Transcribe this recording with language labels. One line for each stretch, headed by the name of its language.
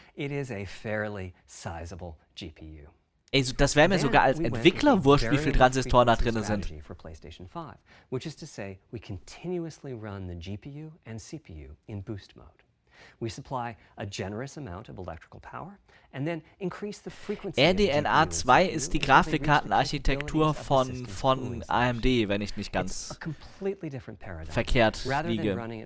English: It is a fairly sizable GPU.
German: Ey, so, das wäre mir sogar als Entwickler wurscht, wie viele Transistoren da drin sind.
English: Which is to say, we continuously run the GPU and CPU in boost mode. We supply a generous amount of electrical power and then increase the frequency.
German: RDNA 2 ist die Grafikkartenarchitektur von AMD, wenn ich nicht ganz verkehrt liege.